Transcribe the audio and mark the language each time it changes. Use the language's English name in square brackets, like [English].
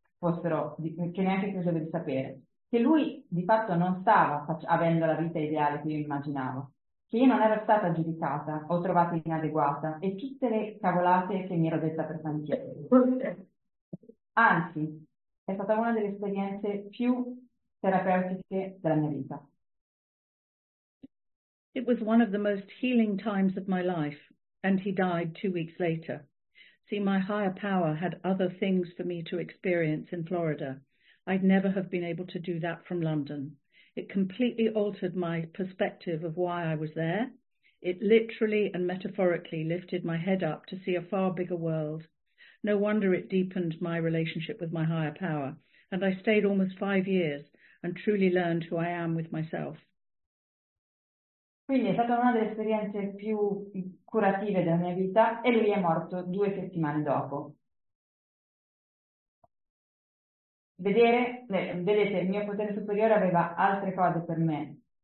[Italian] Che neanche credevo di sapere, che lui di fatto non stava avendo la vita ideale che io immaginavo, che io non ero stata giudicata o trovata inadeguata e tutte le cavolate che mi ero detta per tanti anni. Anzi, è stata una delle esperienze più terapeutiche della mia vita. [English] It was one of the most healing times of my life, and he died 2 weeks later. See, my higher power had other things for me to experience in Florida. I'd never have been able to do that from London. It completely altered my perspective of why I was there. It literally and metaphorically lifted my head up to see a far bigger world. No wonder it deepened my relationship with my higher power, and I stayed almost 5 years and truly learned who I am with myself. [Italian] Quindi è stata una delle esperienze più curative della mia vita e lui è morto 2 settimane dopo. Vedete, il mio potere superiore aveva altre cose per me.